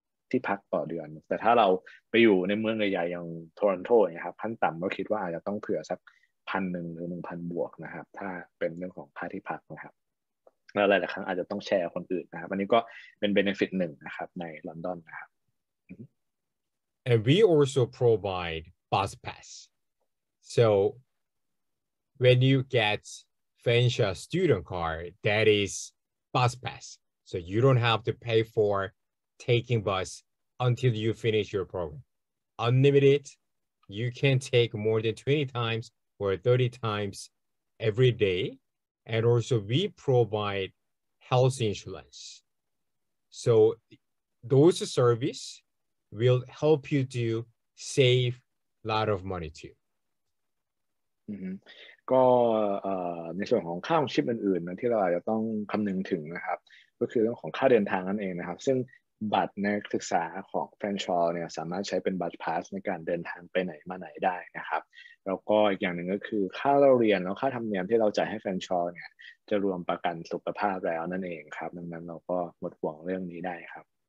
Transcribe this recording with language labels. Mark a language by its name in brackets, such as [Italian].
[Thai] ที่พักต่อเดือนแต่ถ้าเราไปอยู่ในเมืองใหญ่ๆอย่างโทรอนโตนะครับขั้นต่ำก็คิดว่าอาจจะต้องเผื่อสัก 1,000 หรือ 1,000 บวกนะครับถ้าเป็นเรื่องของค่าที่พักนะครับแล้วหลายครั้งอาจจะต้องแชร์คนอื่นนะครับอันนี้ก็เป็นเบเนฟิตหนึ่งนะครับในลอนดอนนะครับ [English] And we also provide bus pass. So when you get Fensha student card, that is bus pass. So you don't have to pay for taking bus until you finish your program. Unlimited, you can take more than 20 times or 30 times every day. And also we provide health insurance. So those service will help you to save a lot of money too. Mm-hmm. [Thai] ก็ในส่วนของค่าของชิปอื่นๆนะที่เราอาจจะต้องคำนึงถึงนะครับก็คือเรื่องของค่าเดินทางนั่นเองนะครับซึ่งบัตรนักศึกษาของแฟรนชอยส์เนี่ยสามารถใช้เป็นบัตรพาสในการเดินทางไปไหนมาไหนได้นะครับแล้วก็อีกอย่างหนึ่งก็คือค่าเรียนแล้วค่าธรรมเนียมที่เราจ่ายให้แฟรนชอยส์เนี่ยจะรวมประกันสุขภาพแล้วนั่นเองครับดังนั้นเราก็หมดห่วงเรื่องนี้ได้ครับ